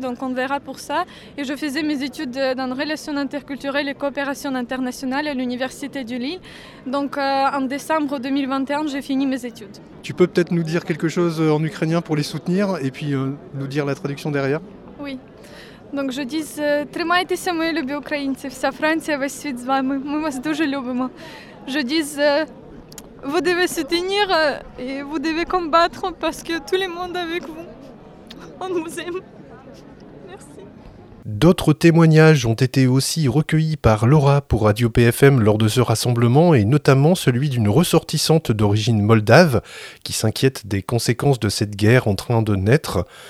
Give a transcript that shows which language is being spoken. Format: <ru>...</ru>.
<fr>Donc on verra pour ça. Et je faisais mes études dans relations interculturelles et coopération internationale à l'Université du Lille. Donc en décembre 2021, j'ai fini mes études. Tu peux peut-être nous dire quelque chose en ukrainien pour les soutenir et puis nous dire la traduction derrière? Oui. Donc je dis</fr> <uk>« Тримайтеся, мої любі українці, вся Франція, весь світ з вами, ми вас дуже любимо ».</uk> <fr>Je dis « Vous devez soutenir et vous devez combattre parce que tout le monde avec vous, on vous aime ». Merci. D'autres témoignages ont été aussi recueillis par Laura pour Radio PFM lors de ce rassemblement et notamment celui d'une ressortissante d'origine moldave qui s'inquiète des conséquences de cette guerre en train de naître.</fr>